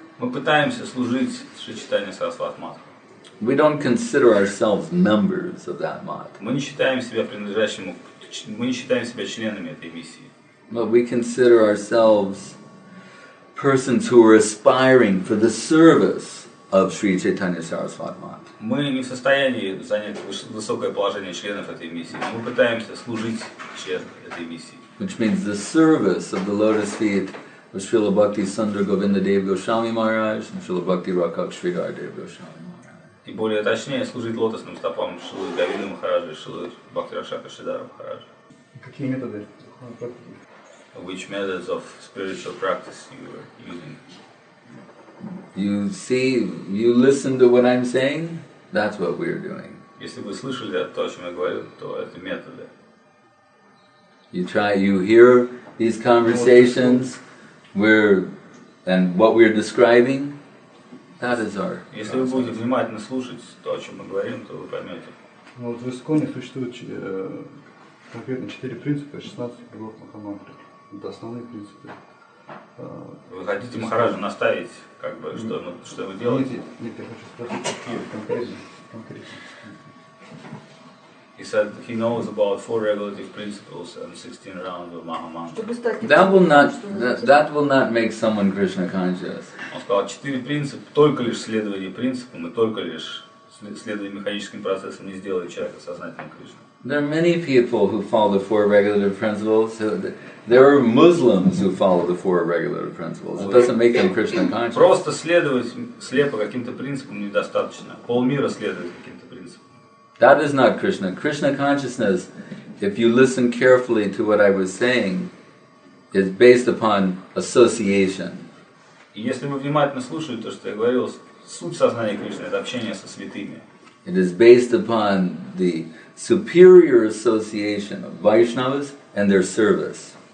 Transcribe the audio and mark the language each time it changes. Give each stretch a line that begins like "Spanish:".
Russian: Мы пытаемся служить Шри Чайтанья Сарасвата Матхе.
English: We don't consider ourselves members of that mat.
Russian: Мы не считаем себя принадлежащими, мы не считаем себя членами этой миссии.
English: But we consider ourselves persons who are aspiring for the service of Sri Chaitanya Sarasvat Mat.
Russian: Мы не в состоянии занять высокое положение членов этой миссии. Мы пытаемся служить членам этой миссии.
English: Which means the service of the lotus feet of Srila Bhakti Sundar Govindadeva Goswami Maharaj and Srila Bhakti Rakhav Sridhar Deva Goswami.
Russian: И более точнее, служить лотосным стопам Шилы Гавинды Махараджа и Шилы Бхакти Ракшака Шридхара Махараджа. Какие методы практики?
English: Which methods of spiritual practice you are using? You see, you listen to what I'm saying, that's what we're doing.
Russian: Если вы слышали то, о чем я говорю, то это методы.
English: You try, you hear these conversations, and what we're describing, that is our.
Russian: Если вы будете внимательно слушать то, о чем мы говорим, то вы поймете. Ну вот в Исконе существует конкретно 4 принципа, 16 кругов Махамантры. Это основные принципы. Вы хотите Махараджу наставить, как бы, что вы делаете? Нет, я хочу спросить, какие конкретно.
English: He said he knows about 4 regulative principles and 16 rounds of Mahamantra. That will not make someone Krishna conscious.
Russian: Он сказал, четыре принципа, только лишь следование принципам и только лишь следование механическим процессам не сделает человека сознательным Кришной.
English: There are many people who follow the 4 regulative principles. There are Muslims who follow the 4 regulative principles. It doesn't make them Krishna conscious.
Russian: Просто следовать слепо каким-то принципам недостаточно. Полмира следовать каким-то принципам.
English: That is not Krishna. Krishna consciousness, if you listen carefully to what I was saying, is based upon association.
Russian: Если вы внимательно слушаете то, что я говорил, суть сознания Кришны — это общение со святыми.
English: It is based upon the superior association of Vaishnavas and their service.